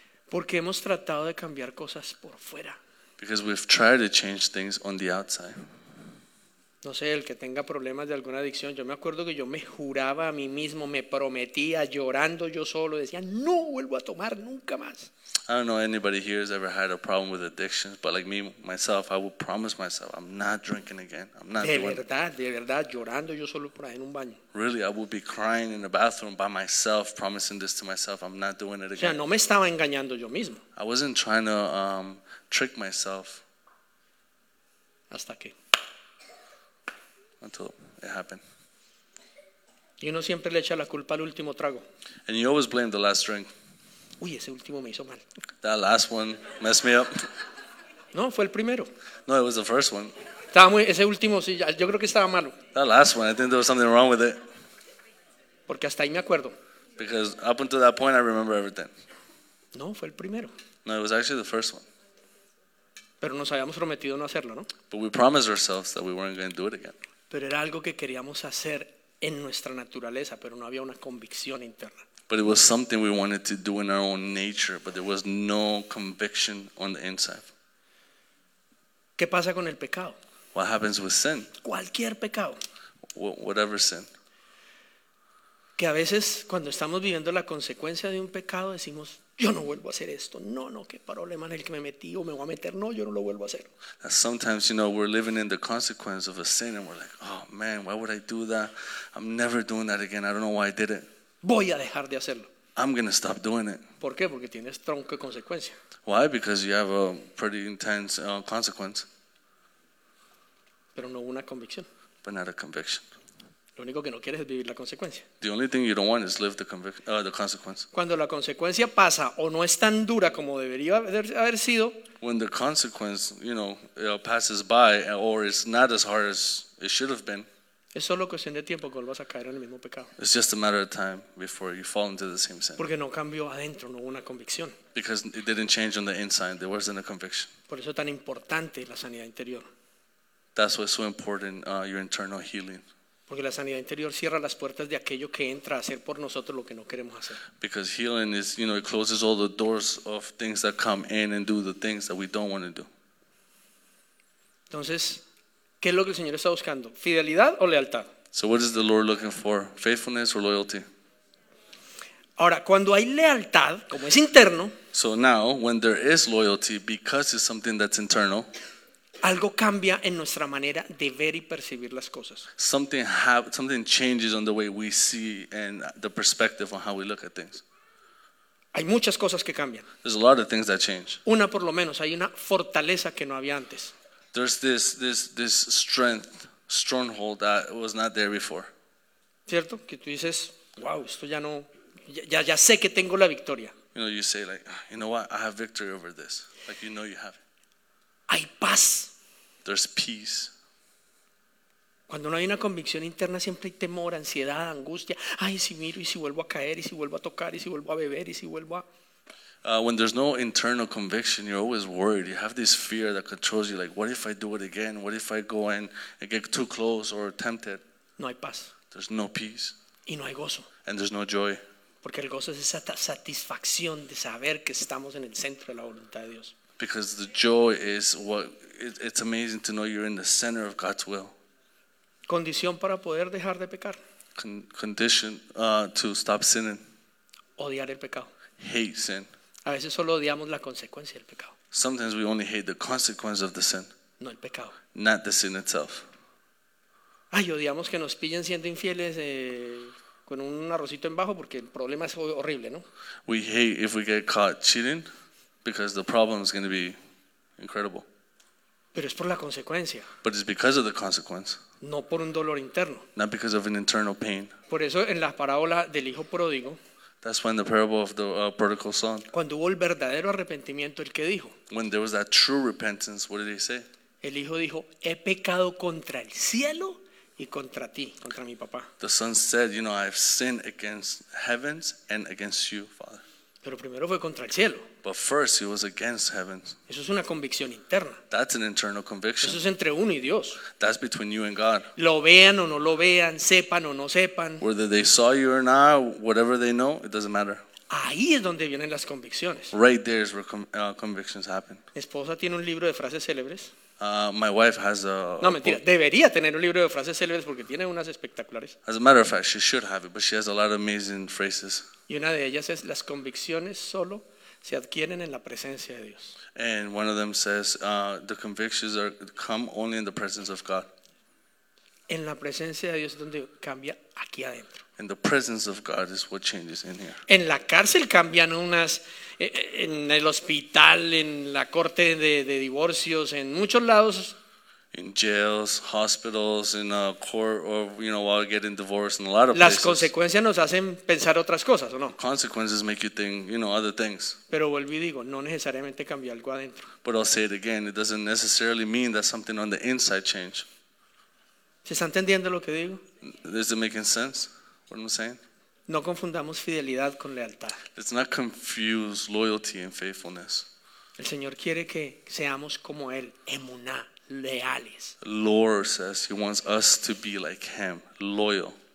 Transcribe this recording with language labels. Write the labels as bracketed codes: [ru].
[es] Porque hemos tratado de cambiar cosas por fuera. [en] Because we've tried to change things on the outside. [es] No sé, el que tenga problemas de alguna adicción, yo me acuerdo que yo me juraba a mí mismo, me prometía llorando yo solo, decía, no vuelvo a tomar nunca más. [en] I don't know anybody here has ever had a problem with addictions, but like me, myself, I would promise myself, I'm not drinking again. I'm not doing. [es] De verdad, llorando yo solo por ahí en un baño. [en] Really, I would be crying in the bathroom by myself, promising this to myself, I'm not doing it again. [es] O sea, no me estaba engañando yo mismo. [en] I wasn't trying to trick myself. [es] Hasta que. [en] Until it happened. [es] Y uno siempre le echa la culpa al último trago. [en] And you always blame the last drink. [es] Uy, ese último me hizo mal. [en] That last one messed me up. [es] No, fue el primero. [en] No, it was the first one. [es] Estaba muy, ese último, sí, yo creo que estaba malo. [en] That last one, I think there was something wrong with it. [es] Porque hasta ahí me acuerdo. [en] Because up until that point, I remember everything. [es] No, fue el primero. [en] No, it was actually the first one. [es] Pero nos habíamos prometido no hacerlo, ¿no? [en] But we promised ourselves that we weren't going to do it again. [es] Pero era algo que queríamos hacer en nuestra naturaleza, pero no había una convicción interna. [en] But it was something we wanted to do in our own nature, but there was no conviction on the inside. [es] ¿Qué pasa con el pecado? [en] What happens with sin? [es] Cualquier pecado. [en] Whatever sin. [es] Que a veces cuando estamos viviendo la consecuencia de un pecado decimos, yo no vuelvo a hacer esto. No, no, qué problema en el que me metí o me voy a meter. No, yo no lo vuelvo a hacer. [en] Sometimes, you know, we're living in the consequence of a sin and we're like, oh man, why would I do that? I'm never doing that again. I don't know why I did it. [es] Voy a dejar de hacerlo. [en] I'm going to stop doing it. [es] ¿Por qué? Porque tienes tronco de consecuencia. [en] Why? Because you have a pretty intense consequence. [es] Pero no una convicción. [en] But not a conviction. [es] Lo único que no quieres es vivir la consecuencia. [en] The only thing you don't want is live the consequence. [es] Cuando la consecuencia pasa o no es tan dura como debería haber sido. [en] When the consequence, you know, passes by or is not as hard as it should have been. [es] Es solo cuestión de tiempo que vuelvas a caer en el mismo pecado. [en] It's just a matter of time before you fall into the same sin. [es] Porque no cambió adentro, no hubo una convicción. [en] Because it didn't change on the inside, there wasn't a conviction. [es] Por eso es tan importante la sanidad interior. [en] That's why it's so important, your internal healing. [es] Porque la sanidad interior cierra las puertas de aquello que entra a hacer por nosotros lo que no queremos hacer. [en] Because healing is, you know, it closes all the doors of things that come in and do the things that we don't want to do. [es] Entonces, ¿qué es lo que el Señor está buscando? ¿Fidelidad o lealtad? [en] So what is the Lord looking for? Faithfulness or loyalty? [es] Ahora, cuando hay lealtad, como es interno, [en] so now when there is loyalty because it's something that's internal, [es] algo cambia en nuestra manera de ver y percibir las cosas. [en] Something changes on the way we see and the perspective on how we look at things. [es] Hay muchas cosas que cambian. [en] There's a lot of things that change. [es] Una por lo menos, hay una fortaleza que no había antes. [en] There's this strength, stronghold that was not there before. [es] ¿Cierto? Que tú dices, wow, esto ya no, ya sé que tengo la victoria. [en] You know, you say like, you know what, I have victory over this. Like you know you have it. [es] Hay paz. [en] There's peace. [es] Cuando no hay una convicción interna siempre hay temor, ansiedad, angustia. Ay, si miro y si vuelvo a caer y si vuelvo a tocar y si vuelvo a beber y si vuelvo a. [en] When there's no internal conviction, you're always worried. You have this fear that controls you. Like, what if I do it again? What if I go and get too close or tempted? [es] No hay paz. [en] There's no peace. [es] Y no hay gozo. [en] And there's no joy. [es] Porque el gozo es esa satisfacción de saber que estamos en el centro de la voluntad de Dios. [en] Because the joy is what it's amazing to know you're in the center of God's will. [es] Condición para poder dejar de pecar. [en] Condition to stop sinning. [es] Odiar el pecado. [en] Hate sin. [es] A veces solo odiamos la consecuencia del pecado. [en] Sometimes we only hate the consequence of the sin. [es] No el pecado. [en] Not the sin itself. [es] Ay, odiamos que nos pillen siendo infieles. Con un arrocito en bajo porque el problema es horrible, ¿no? [en] We hate if we get caught cheating. Because the problem is going to be incredible. [es] Pero es por la consecuencia. [en] But it's because of the consequence. [es] No por un dolor interno. [en] Not because of an internal pain. [es] Por eso en la parábola del hijo pródigo. [en] That's when the parable of the prodigal son. [es] Cuando hubo el verdadero arrepentimiento, ¿el qué dijo? [en] When there was that true repentance, what did he say? [es] El hijo dijo, he pecado contra el cielo y contra ti, contra mi papá. [en] The son said, you know, I've sinned against heavens and against you, Father. [es] Pero primero fue contra el cielo. [en] But first he was against heavens. [es] Eso es una convicción interna. [en] That's an internal conviction. [es] Eso es entre uno y Dios. [en] That's between you and God. [es] Lo vean o no lo vean, sepan o no sepan. [en] Whether they saw you or not, whatever they know, it doesn't matter. [es] Ahí es donde vienen las convicciones. [en] Right there is where convictions happen. [es] Mi esposa tiene un libro de frases célebres. [en] My wife has a. [es] No, mentira. [en] Book. [es] Debería tener un libro de frases célebres porque tiene unas espectaculares. [en] As a matter of fact, she should have it, but she has a lot of amazing phrases. [es] Y una de ellas es: las convicciones solo se adquieren en la presencia de Dios. [en] And one of them says, the convictions are come only in the presence of God. [es] En la presencia de Dios es donde cambia aquí adentro. [en] And the presence of God is what changes in here. [es] En la cárcel cambian unas, en el hospital, en la corte de divorcios, en muchos lados. [en] In jails, hospitals, in a court, or you know, while getting divorced, in a lot of [es] las [en] places. [es] Las consecuencias nos hacen pensar otras cosas, ¿o no? [en] Consequences make you think, you know, other things. [es] Pero vuelvo y digo, no necesariamente cambia algo adentro. [en] But I'll say it again, it doesn't necessarily mean that something on the inside changed. [es] ¿Se está entendiendo lo que digo? [en] Is it making sense? What I'm saying? [es] No confundamos fidelidad con lealtad. [en] Let's not confuse loyalty and faithfulness. [es] El Señor quiere que seamos como Él, emuná, leales. [en] The Lord says He wants us to be like Him, loyal.